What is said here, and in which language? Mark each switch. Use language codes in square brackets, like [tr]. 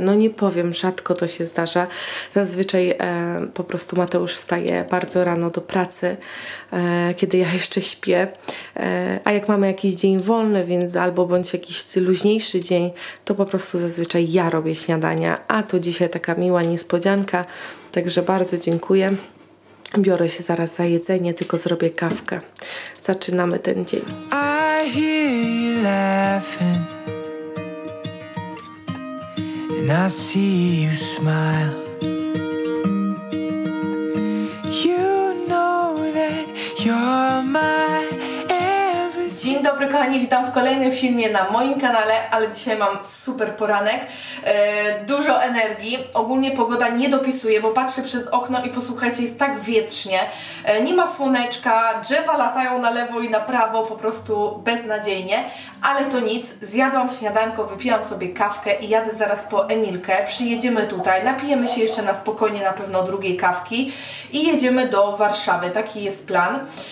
[pl] No nie powiem, rzadko to się zdarza. Zazwyczaj po prostu Mateusz wstaje bardzo rano do pracy, kiedy ja jeszcze śpię. A jak mamy jakiś dzień wolny, więc albo bądź jakiś luźniejszy dzień, to po prostu zazwyczaj ja robię śniadania. A to dzisiaj taka miła niespodzianka, także bardzo dziękuję. Biorę się zaraz za jedzenie, tylko zrobię kawkę. Zaczynamy ten dzień. [en] I hear you laughing, and I see you smile. You know that you're my everything. [pl] Dzień dobry kochani, witam w kolejnym filmie na moim kanale, ale dzisiaj mam super poranek, dużo energii, ogólnie pogoda nie dopisuje, bo patrzę przez okno i posłuchajcie, jest tak wietrznie, nie ma słoneczka, drzewa latają na lewo i na prawo, po prostu beznadziejnie, ale to nic, zjadłam śniadanko, wypiłam sobie kawkę i jadę zaraz po Emilkę, przyjedziemy tutaj, napijemy się jeszcze na spokojnie na pewno drugiej kawki i jedziemy do Warszawy, taki jest plan.